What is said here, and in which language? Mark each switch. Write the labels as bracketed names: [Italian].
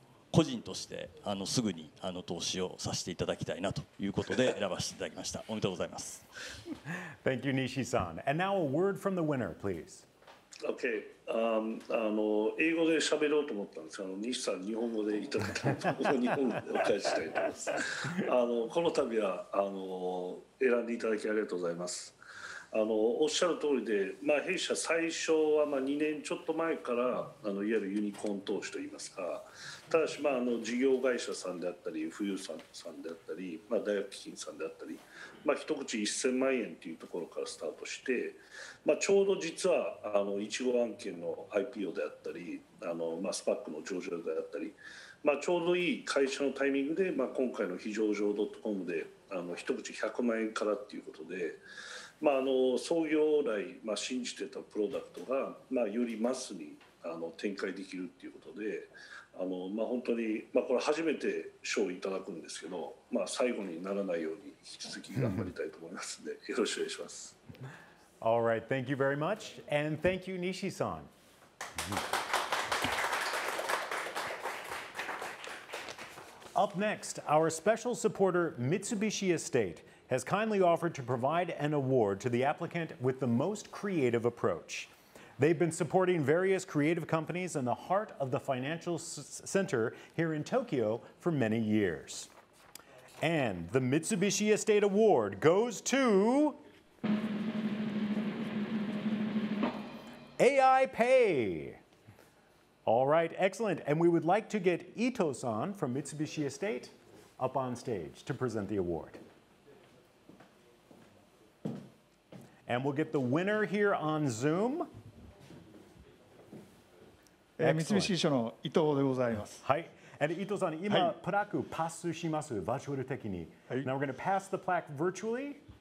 [Japanese] 個人としてすぐに投資をさせていただきたいなということで選ばせていただきましたおめでとうございます [English] Thank you, Nishii-san. And now a word from the winner, please. Okay. [Japanese] 英語で喋ろうと思ったんですが西さん日本語でいただいたので日本語でお返ししたいと思いますこの度は選んでいただきありがとうございますおっしゃる通りで、弊社最初は2年ちょっと前からいわゆるユニコーン投資といいますかただし事業会社さんであったり富裕層さんであったり、大学基金さんであったり、一口1000万円というところからスタートして、ちょうど実はいちご案件の IPO であったりスパックの上場であったり、ちょうどいい会社のタイミングで、今回の非上場ドットコムで一口100万円からということで。創業来、信じてたプロダクトが、よりマスに展開できるっていうことで本当に、これ初めて賞をいただくんですけど、最後にならないように引き続き頑張りたいと思いますのでよろしくお願いします。 [English] All right, thank you very much and thank you, Nishii-san. Up next, our special supporter, Mitsubishi Estate. Has kindly offered to provide an award to the applicant with the most creative approach. They've been supporting various creative companies in the heart of the financial center here in Tokyo for many years. And the Mitsubishi Estate Award goes to AI Pay. All right, excellent. And we would like to get Ito-san from Mitsubishi Estate up on stage to present the award. And we'll get the winner here on Zoom. [Japanese] 三菱地所の伊藤でございます。はい。 [English] And Ito-san, [Japanese] 今、プラクパスします、バーチャル的に。 [English] Now we're going to pass the plaque virtually.